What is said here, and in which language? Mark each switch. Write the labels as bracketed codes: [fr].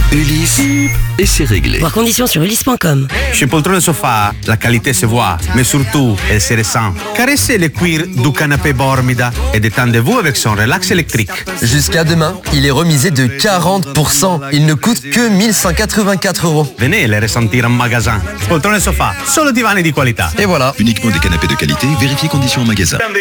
[fr] Ulysse, et c'est réglé. Voir conditions sur ulysse.com. Chez Poltrone Sofa, la qualité se voit, mais surtout, elle se ressent. Caressez le cuir du canapé Bormida et détendez-vous avec son relax électrique. Jusqu'à demain, il est remisé de 40%. Il ne coûte que 1184 euros. Venez les ressentir en magasin. [it] Poltrone Sofa, solo divani di qualità. [fr] Et voilà. Uniquement des canapés de qualité, vérifiez conditions en magasin.